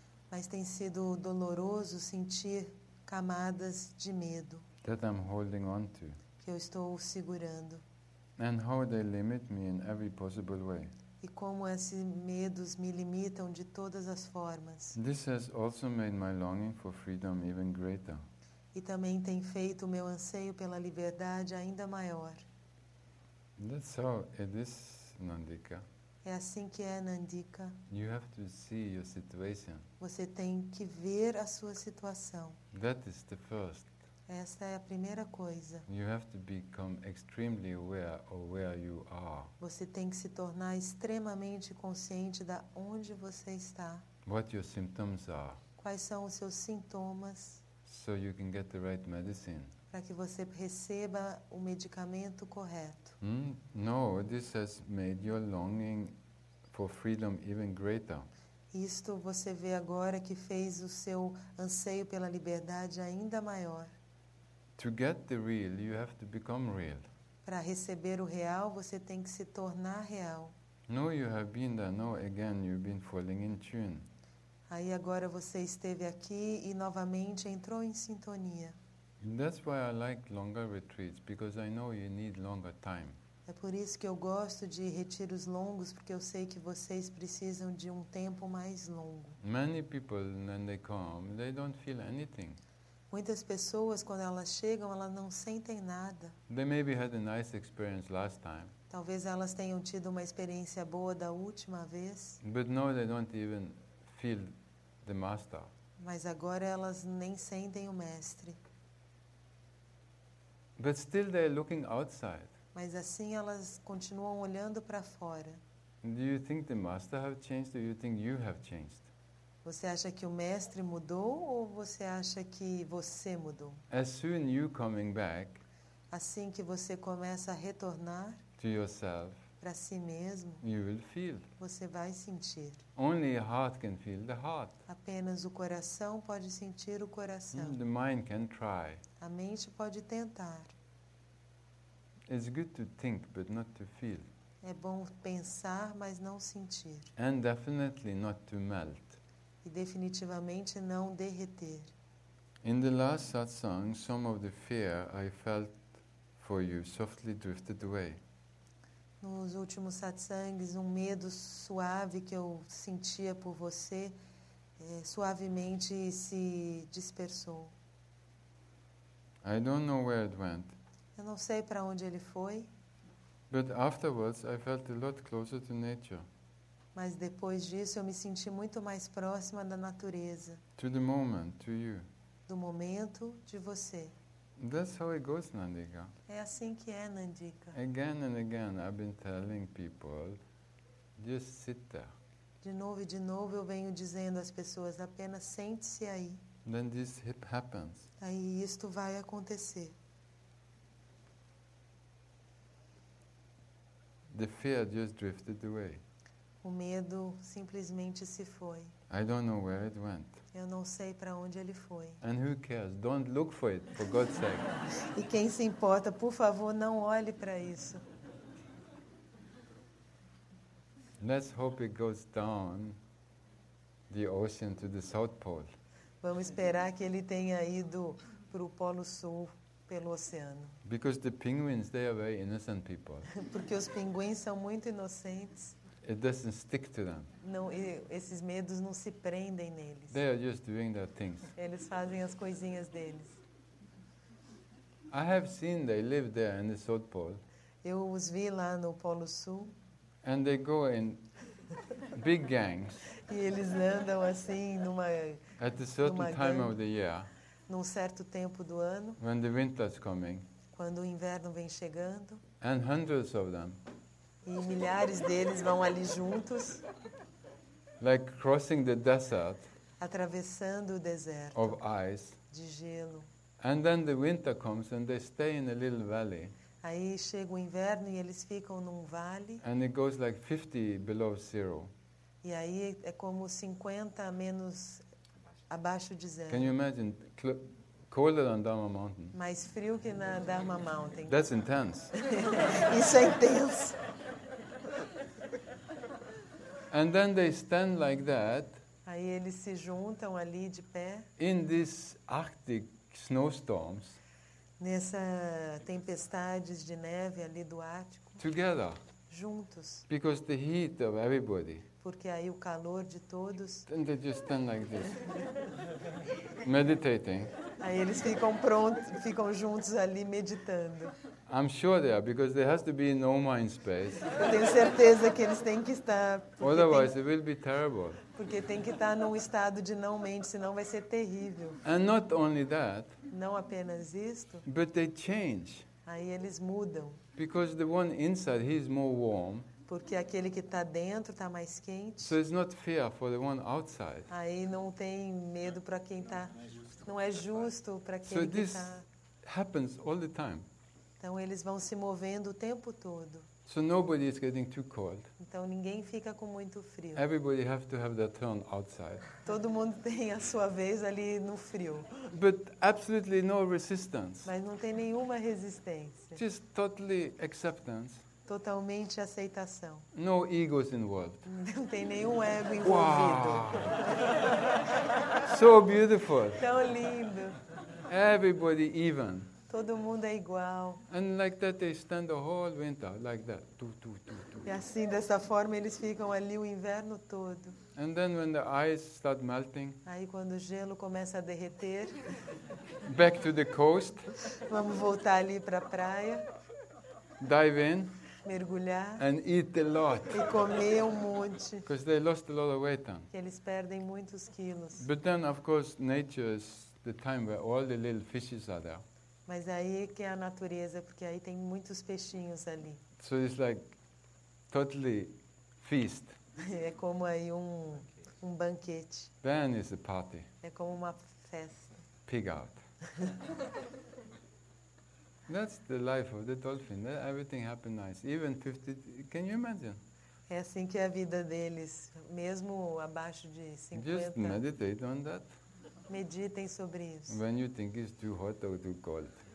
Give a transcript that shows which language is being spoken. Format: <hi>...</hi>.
<pt>Mas tem sido doloroso sentir camadas de medo.</pt> <en>That I'm holding on to.</en> <pt>Que eu estou segurando.</pt> <en>And how they limit me in every possible way.</en> <pt>E como esses medos me limitam de todas as formas.</pt> <en>This has also made my longing for freedom even greater.</en> <pt>E também tem feito o meu anseio pela liberdade ainda maior.</pt> <en>That's how it is, Nandika.</en> <pt>É assim que é, Nandika.</pt> <en>You have to see your situation.</en> <pt>Você tem que ver a sua situação.</pt> <en>That is the first.</en> <pt>Essa é a primeira coisa.</pt> <en>You have to become extremely aware of where you are.</en> <pt>Você tem que se tornar extremamente consciente da onde você está.</pt> <en>What your symptoms are.</en> <pt>Quais são os seus sintomas?</pt> <en>So you can get the right medicine.</en> <pt>Para que você receba o medicamento correto. Hmm?</pt> <en>No, this has made your longing for freedom even greater.</en> <pt>Isto você vê agora que fez o seu anseio pela liberdade ainda maior.</pt> <en>To get the real, you have to become real.</en> <pt>Para receber o real, você tem que se tornar real.</pt> <en>No, you have been there. No, again, you've been falling in tune.</en> <pt>Aí agora você esteve aqui e novamente entrou em sintonia.</pt> <en>And that's why I like longer retreats, because I know you need longer time.</en> <pt>É por isso que eu gosto de retiros longos, porque eu sei que vocês precisam de um tempo mais longo.</pt> <en>Many people, when they come, they don't feel anything.</en> <pt>Muitas pessoas, quando elas chegam, elas não sentem nada.</pt> <en>They maybe had a nice experience last time.</en> <pt>Talvez elas tenham tido uma experiência boa da última vez.</pt> <en>But now they don't even feel the master.</en> <pt>Mas agora elas nem sentem o mestre.</pt> <en>But still they're looking outside.</en> <pt>Mas assim elas continuam olhando para fora.</pt> <en>Do you think the master have changed, or do you think you have changed?</en> <pt>Você acha que o mestre mudou ou você acha que você mudou?</pt> <en>As soon you coming back,</en> <pt>assim que você começa a retornar</pt> <en>to yourself,</en> <pt>para si mesmo,</pt> <en>you will feel.</en> <pt>Você vai sentir.</pt> <en>Only a heart can feel the heart.</en> <pt>Apenas o coração pode sentir o coração.</pt> <en>The mind can try.</en> <pt>A mente pode tentar.</pt> <en>It's good to think, but not to feel.</en> <pt>É bom pensar, mas não sentir.</pt> <en>And definitely not to melt.</en> <pt>E definitivamente não derreter.</pt> <en>In the last satsang, some of the fear I felt for you softly drifted away.</en> <pt>Nos últimos satsangs, um medo suave que eu sentia por você, suavemente se dispersou.</pt> <en>I don't know where it went.</en> <pt>Eu não sei para onde ele foi.</pt> <en>But afterwards, I felt a lot closer to nature.</en> <pt>Mas depois disso eu me senti muito mais próxima da natureza.</pt> <en>To the moment, to you.</en> <pt>Do momento, de você.</pt> <en>That's how it goes, Nandika.</en> <pt>É assim que é, Nandika.</pt> <en>Again and again I've been telling people, just sit there.</en> <pt>De novo eu venho dizendo às pessoas, apenas sente-se aí.</pt> <en>Then this happens.</en> <pt>Aí isto vai acontecer.</pt> <en>The fear just drifted away.</en> <pt>O medo simplesmente se foi.</pt> <en>I don't know where it went.</en> <pt>Eu não sei para onde ele foi.</pt> <en>And who cares? Don't look for it, for God's sake.</en> <pt>E quem se importa, por favor, não olhe para isso.</pt> <en>Let's hope it goes down the ocean to the South Pole.</en> <pt>Vamos esperar que ele tenha ido para o Polo Sul, pelo oceano.</pt> <en>Because the penguins, they are very innocent people.</en> <pt>Porque os pinguins são muito inocentes.</pt> <en>It doesn't stick to them.</en> <pt>Não, esses medos não se prendem neles.</pt> <en>They are just doing their things.</en> <pt>Eles fazem as coisinhas deles.</pt> <en>I have seen they live there in the South Pole.</en> <pt>Eu os vi lá no Polo Sul.</pt> <en>And they go in big gangs.</en> <pt>E eles andam assim numa.</pt> <en>At a certain time of the year.</en> <pt>Num certo tempo do ano.</pt> <en>When the winter is coming.</en> <pt>Quando o inverno vem chegando.</pt> <en>And hundreds of them.</en> <pt>E milhares deles vão ali juntos.</pt> <en>Like crossing the desert.</en> <pt>Atravessando o deserto.</pt> <en>Of ice.</en> <pt>De gelo.</pt> <en>And then the winter comes and they stay in a little valley.</en> <pt>Aí chega o inverno e eles ficam num vale.</pt> <en>And it goes like 50 below zero.</en> <pt>E aí é como 50 menos abaixo de zero.</pt> <en>Can you imagine? Colder than Dharma Mountain.</en> <pt>Mais frio que na Dharma Mountain.</pt> <en>That's intense.</en> <pt>Isso é intenso.</pt> <en>And then they stand like that.</en> <pt>Aí eles se juntam ali de pé.</pt> <en>In these Arctic snowstorms.</en> <pt>Nessa tempestades de neve ali do Ártico.</pt> <en>Together.</en> <pt>Juntos.</pt> <en>Because the heat of everybody.</en> <pt>Porque aí o calor de todos.</pt> <en>And they just stand like this. Meditating.</en> <pt>Aí eles ficam prontos, ficam juntos ali meditando.</pt> <en>I'm sure they are, because there has to be no mind space.</en> <pt>Eu tenho certeza que eles têm que estar.</pt> <en>Otherwise, it will be terrible.</en> <pt>Porque tem que estar num estado de não mente, senão vai ser terrível.</pt> <en>And not only that.</en> <pt>Não apenas isto.</pt> <en>But they change.</en> <pt>Aí eles mudam.</pt> <en>Because the one inside, he is more warm.</en> <pt>Porque aquele que está dentro está mais quente.</pt> <en>So it's not fair for the one outside.</en> <pt>Aí não tem medo para quem está. Não é justo para quem está.</pt> <en>So this happens all the time.</en> <pt>Então eles vão se movendo o tempo todo.</pt> <en>So nobody is getting too cold.</en> <pt>Então ninguém fica com muito frio.</pt> <en>Everybody has to have their turn outside.</en> <pt>Todo mundo tem a sua vez ali no frio.</pt> <en>But absolutely no resistance.</en> <pt>Mas não tem nenhuma resistência.</pt> <en>Just totally acceptance.</en> <pt>Totalmente aceitação.</pt> <en>No egos involved.</en> <pt>Não tem nenhum ego envolvido.</pt> <en>Wow. So beautiful.</en> <pt>Tão lindo.</pt> <en>Everybody even.</en> <pt>Todo mundo é igual.</pt> <en>And like that they stand the whole winter, like that. Tu, tu, tu, tu.</en> <pt>E assim, dessa forma, eles ficam ali o inverno todo.</pt> <en>And then when the ice start melting,</en> <pt>aí quando o gelo começa a derreter,</pt> <en>back to the coast,</en> <pt>vamos voltar ali para a praia,</pt> <en>dive in,</en> <pt>mergulhar,</pt> <en>and eat a lot,</en> <pt>e comer um monte,</pt> <en>because they lost a lot of weight then.</en> <pt>Eles perdem muitos quilos.</pt> <en>But then, of course, nature is the time where all the little fishes are there.</en> <pt>Mas aí que é a natureza, porque aí tem muitos peixinhos ali.</pt> <en>So it's like totally feast.</en> <pt>É como aí um banquete.</pt> <en>Then it's a party.</en> <pt>É como uma festa.</pt> <en>Pig out. That's the life of the dolphin. Everything happens nice. Even 50, can you imagine?</en> <pt>É assim que é a vida deles, mesmo abaixo de 50.</pt> <en>Just meditate on that.</en> <pt>Meditem sobre isso.</pt> <en>When you think it's too hot or too cold.</en>